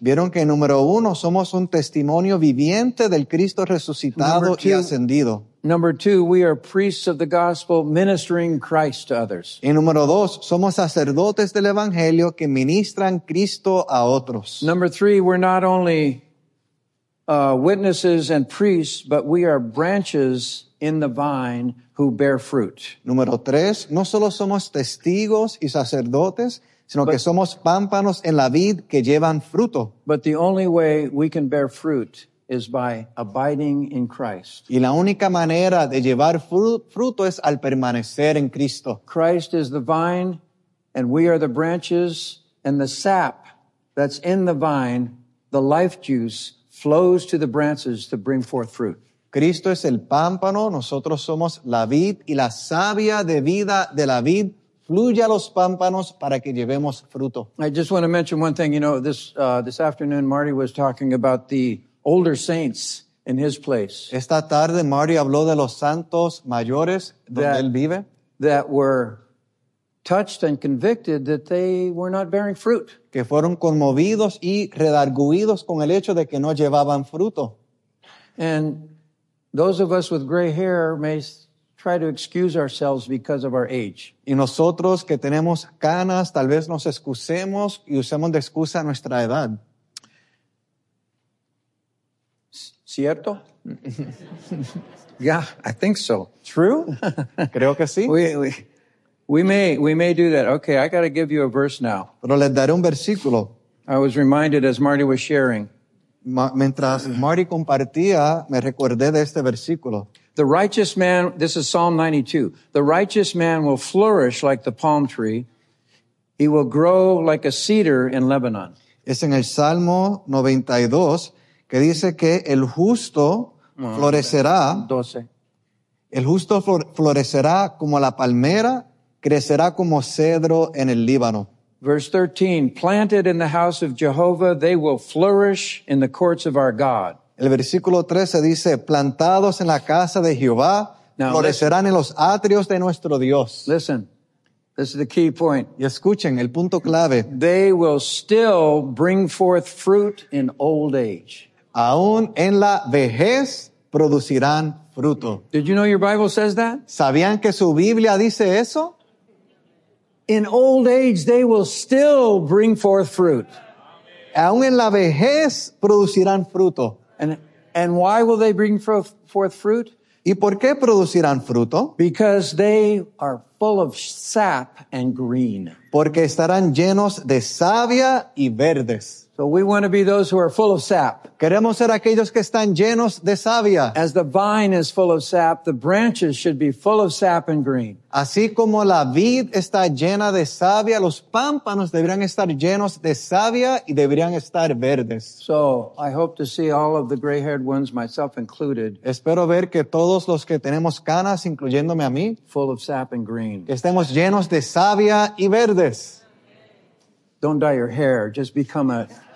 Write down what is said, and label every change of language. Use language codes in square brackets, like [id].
[es] Vieron que número uno, somos un testimonio viviente del Cristo resucitado y ascendido. [en] Number two, we are priests of the gospel ministering Christ to others. [es] Y número dos, somos sacerdotes del evangelio que ministran Cristo a otros. [en] Number three, we're not only witnesses and priests, but we are branches in the vine who bear fruit. [es] Número tres, no solo somos testigos y sacerdotes, sino que somos pámpanos en la vid que llevan fruto. [en] But the only way we can bear fruit is by abiding in Christ. [es] Y la única manera de llevar fruto es al permanecer en Cristo. [en] Christ is the vine, and we are the branches, and the sap that's in the vine, the life juice, flows to the branches to bring forth fruit. [es] Cristo es el pámpano, nosotros somos la vid y la savia de vida de la vid fluye a los pámpanos para que llevemos fruto. [en] I just want to mention one thing. You know, this afternoon Marty was talking about the older saints in his place. [es] Esta tarde Marty habló de los santos mayores donde él vive. [en] That were touched and convicted that they were not bearing fruit. [es] Que fueron conmovidos y redarguidos con el hecho de que no llevaban fruto. [en] And those of us with gray hair may try to excuse ourselves because of our age. [es] Y nosotros que tenemos canas, tal vez nos excusemos y usemos de excusa nuestra edad. ¿Cierto? [en] Yeah, I think so. True? [es] Creo que sí. [en] We may do that. Okay, I got to give you a verse now. [es] Pero les daré un versículo. [en] I was reminded as Marty was sharing. [es] Mientras Marty compartía, me recordé de este versículo. [en] The righteous man, this is Psalm 92. The righteous man will flourish like the palm tree. He will grow like a cedar in Lebanon. [es] Es en el Salmo 92 que dice que el justo florecerá. 12. El justo florecerá como la palmera, crecerá como cedro en el Líbano. [en] Verse 13, planted in the house of Jehovah, they will flourish in the courts of our God. [es] El versículo 13 dice, plantados en la casa de Jehová, florecerán en los atrios de nuestro Dios. [en] Listen, This is the key point. [es] Y escuchen el punto clave. [en] They will still bring forth fruit in old age. [es] Aún en la vejez producirán fruto. [en] Did you know your Bible says that? [es] ¿Sabían que su Biblia dice eso? [en] In old age they will still bring forth fruit. [es] Aún en la vejez producirán fruto. [en] And why will they bring forth fruit? [es] ¿Y por qué producirán fruto? [en] Because they are full of sap and green. [es] Porque estarán llenos de savia y verdes. [en] So we want to be those who are full of sap. [es] Queremos ser aquellos que están llenos de savia. [en] As the vine is full of sap, the branches should be full of sap and green. [es] Así como la vid está llena de savia, los pámpanos deberían estar llenos de savia y deberían estar verdes. [en] So I hope to see all of the gray-haired ones, myself included. [es] Espero ver que todos los que tenemos canas, incluyéndome a mí, [en] full of sap and green. [es] Que estemos llenos de savia y verdes. [en] Don't dye your hair, just become a